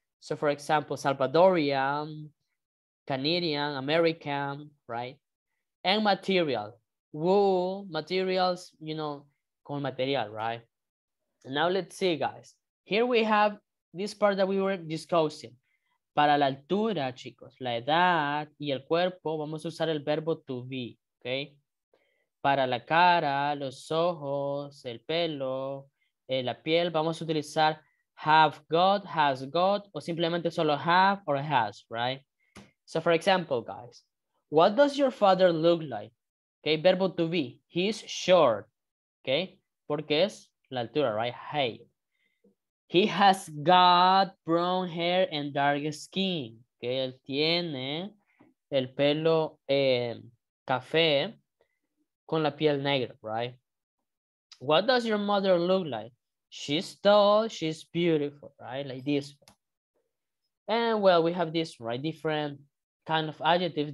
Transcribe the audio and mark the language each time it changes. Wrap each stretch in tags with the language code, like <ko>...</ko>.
<en>So for example, Salvadorian, Canadian, American, right? And material, wool, materials, you know,</en> <es>con material,</es> <en>right? Now let's see, guys. Here we have this part that we were discussing.</en> <es>Para la altura, chicos, la edad y el cuerpo, vamos a usar el verbo to be, okay? Para la cara, los ojos, el pelo, la piel, vamos a utilizar have got, has got, o simplemente solo have or has, right?</es> <en>So for example, guys, what does your father look like? Okay,</en> <es>verbo</es> <en>to be, he's short, okay?</en> <es>Porque es la altura,</es> <en>right? Height. He has got brown hair and dark skin, okay?</en> <es>Él tiene el pelo café con la piel negra, right?</es> <en>What does your mother look like? She's tall, she's beautiful, right? Like this. And well, we have this, right? Different kind of adjectives.</en>